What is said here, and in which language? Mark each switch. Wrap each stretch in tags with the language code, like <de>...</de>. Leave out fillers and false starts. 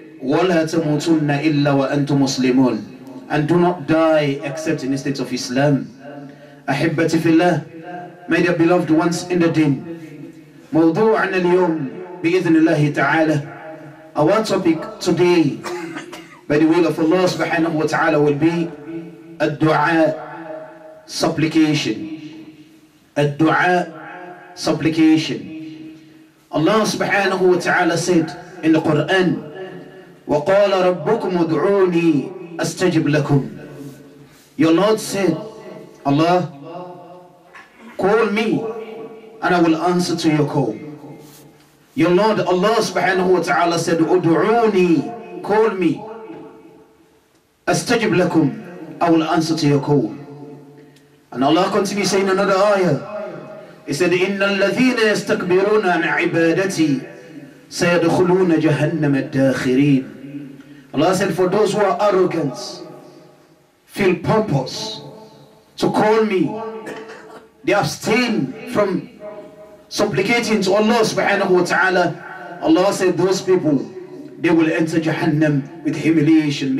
<ar>ولا تموتن إلا وأنتم مسلمون.</ar> <en>And do not die except in the state of Islam.</en> <ar>أحبتي في الله,</ar> <en>my dear beloved ones in the deen.</en> <ar>موضوعنا اليوم بإذن الله تعالى,</ar> <en>our topic today by the will of Allah subhanahu wa ta'ala will be الدعاء, supplication. الدعاء, supplication. Allah subhanahu wa ta'ala said in the Quran,</en> <ar>وَقَالَ رَبُّكُمُ ادْعُونِي أَسْتَجِبْ لَكُمْ.</ar> <en>Your Lord said, Allah, call me and I will answer to your call. Your Lord, Allah subhanahu wa ta'ala said,</en> <ar>ادْعُونِي,</ar> <en>call me,</en> <ar>أَسْتَجِبْ لَكُمْ,</ar> <en>I will answer to your call. And Allah continues saying another ayah. He said,</en> <ar>إِنَّ الَّذِينَ يَسْتَكْبِرُونَ عَنْ عِبَادَتِي سَيَدْخُلُونَ جَهَنَّمَ الدَّاخِرِينَ.</ar> <en>Allah said, for those who are arrogant, feel pompous to call me, they abstain from supplicating to Allah subhanahu wa ta'ala, Allah said, those people, they will enter Jahannam with humiliation.</en>